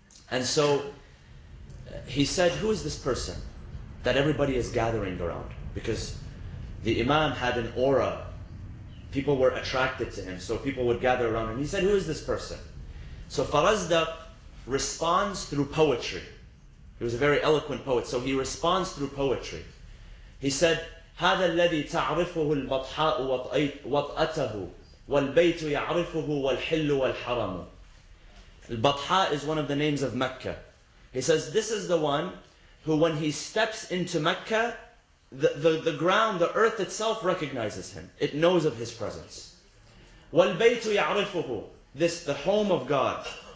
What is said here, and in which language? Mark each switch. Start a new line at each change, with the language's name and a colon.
English: And so he said, who is this person that everybody is gathering around? Because the Imam had an aura. People were attracted to him, so people would gather around him. He said, who is this person? So Farazdaq responds through poetry. He was a very eloquent poet, so he responds through poetry. He said,
Arabic: هذا الذي تعرفه البطحاء وطأته والبيت يعرفه والحل والحرم.
English: البطحاء is one of the names of Mecca. He says, this is the one who, when he steps into Mecca, the ground, the earth itself recognizes him. It knows of his presence.
Arabic: وَالْبَيْتُ يَعْرِفُهُ.
English: This, the home of God.